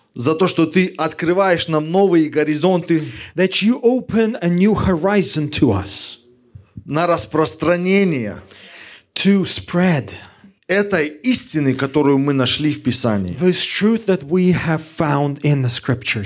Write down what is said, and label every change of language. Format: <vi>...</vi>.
<ru>За то, что ты открываешь нам новые горизонты.</ru> <en>That you open a new horizon to us.</en> <ru>На распространение.</ru> <en>To spread.</en> <ru>Этой истины, которую мы нашли в Писании.</ru> <en>This truth that we have found in the scriptures.</en>